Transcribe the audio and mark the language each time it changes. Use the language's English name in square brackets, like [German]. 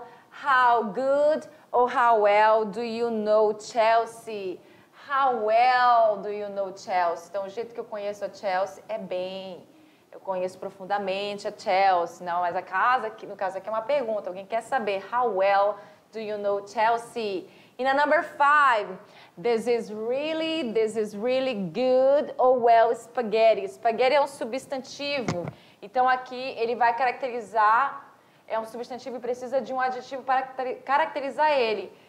[English] How good or how well do you know Chelsea? How well do you know Chelsea? [Portuguese] Então, o jeito que eu conheço a Chelsea é bem. Eu conheço profundamente a Chelsea. Não, mas a casa, no caso aqui é uma pergunta. Alguém quer saber [English] how well do you know Chelsea? [Portuguese] E na [English] number 5, this is really good or well spaghetti. [Portuguese] Spaghetti é um substantivo. Então, aqui ele vai caracterizar. É um substantivo e precisa de um adjetivo para caracterizar ele.